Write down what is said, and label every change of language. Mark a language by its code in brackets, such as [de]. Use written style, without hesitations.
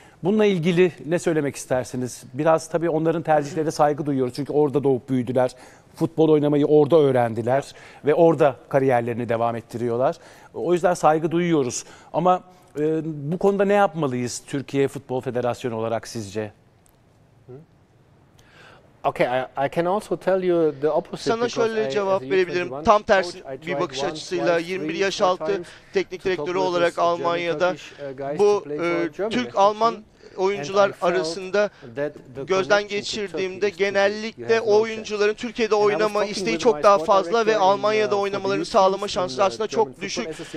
[tr] Bununla ilgili ne söylemek istersiniz? Biraz tabii onların tercihlerine saygı duyuyoruz. Çünkü orada doğup büyüdüler. Futbol oynamayı orada öğrendiler. Ve orada kariyerlerini devam ettiriyorlar. O yüzden saygı duyuyoruz. Ama bu konuda ne yapmalıyız Türkiye Futbol Federasyonu olarak sizce? [en] Okay, I can also tell you the opposite. [tr] Sana şöyle cevap verebilirim. Tam tersi bir bakış açısıyla 21 yaş altı teknik direktörü olarak Almanya'da bu Türk-Alman oyuncular arasında gözden geçirdiğimde genellikle oyuncuların Türkiye'de oynama isteği çok daha fazla ve Almanya'da oynamalarını sağlama şansı aslında çok düşük.